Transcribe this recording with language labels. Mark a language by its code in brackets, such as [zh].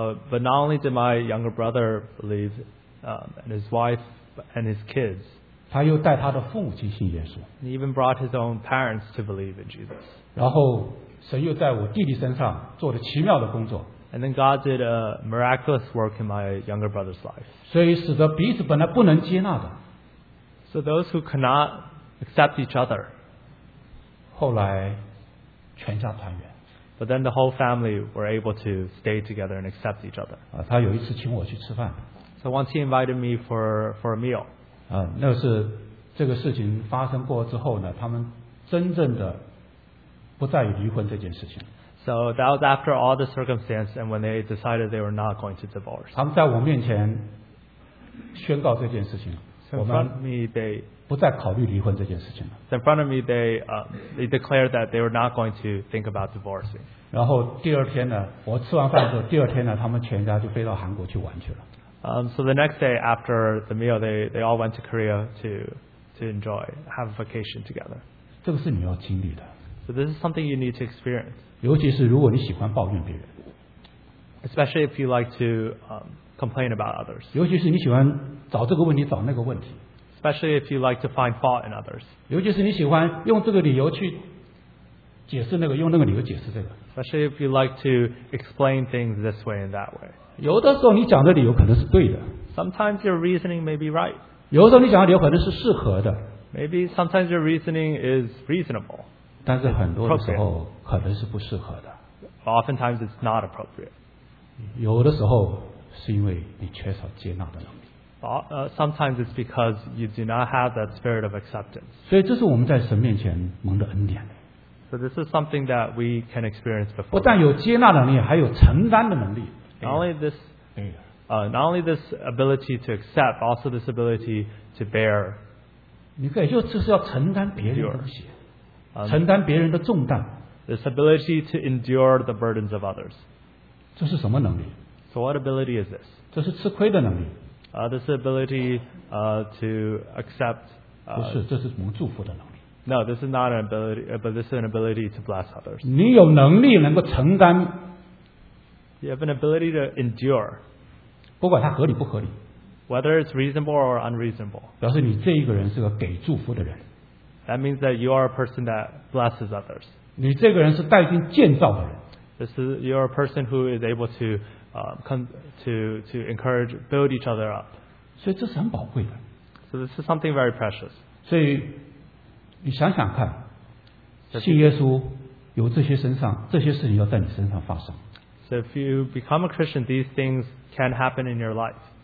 [en] But not only did my younger brother believe, and his wife and his kids, [zh] 他又带他的父母亲信耶稣, [en] he even brought his own parents to believe in Jesus. [zh] 然后神又在我弟弟身上做了奇妙的工作, [en] and then God did a miraculous work in my younger brother's life. [zh] 所以使得彼此本来不能接纳的, [en] so those who cannot accept each other, [zh] 后来全家团圆。 [en] But then the whole family were able to stay together and accept each other. [zh] 他有一次请我去吃饭。 [en] So once he invited me for a meal. [zh] 那是这个事情发生过之后呢, 他们真正的不再离婚这件事情。 [en] So that was after all the circumstances and when they decided they were not going to divorce. [zh] 他们在我面前宣告这件事情。 [en] In front of me, they declared that they were not going to think about divorcing. [zh] 然后第二天呢,我吃完饭之后,第二天呢,他们全家就飞到韩国去玩去了。 [en] So the next day after the meal, they all went to Korea to enjoy, have a vacation together. [zh] 这个是你要经历的。 [en] So this is something you need to experience. [zh] 尤其是如果你喜欢抱怨别人, [en] especially if you like to complain about others. [zh] 尤其是你喜欢找这个问题找那个问题, [en] especially if you like to find fault in others. [zh] 尤其是你喜欢用这个理由去解释那个, [en] especially if you like to explain things this way and that way. [zh] 有的时候你讲的理由可能是对的, [en] sometimes your reasoning may be right. [zh] 有的时候你讲的理由可能是适合的, [en] maybe sometimes your reasoning is reasonable. [zh] 但是很多的时候可能是不适合的, [en] oftentimes it's not appropriate. [zh] 有的时候是因为你缺少接纳的能力, [en] sometimes it's because you do not have that spirit of acceptance. [zh] 所以这是我们在神面前蒙的恩典, [en] so this is something that we can experience before. [zh] 不但有接纳能力, 还有承担的能力, [en] not only this ability to accept, also this ability to bear. [zh] 你可以就是要承担别人的东西, 承担别人的重担, [en] this ability to endure the burdens of others. [zh] 这是什么能力? [en] So what ability is this? [zh] 这是吃亏的能力, [en] this ability to accept. [zh] 不是, 这是蒙祝福的能力, [en] no, this is not an ability, but this is an ability to bless others. [zh] 你有能力能够承担, [en] you have an ability to endure, [zh] 不管它合理不合理, [en] whether it's reasonable or unreasonable. [zh] 表示你这一个人是个给祝福的人, [en] that means that you are a person that blesses others. [zh] 你这个人是带进建造的人, [en] this is, you're a person who is able to come to encourage, build each other up. [zh] 所以这是很宝贵的, [en] so this is something very precious. [zh] 所以你想想看, 信耶稣有这些身上, 这些事情要在你身上发生, [en] so if you become a Christian, these things can happen in your life.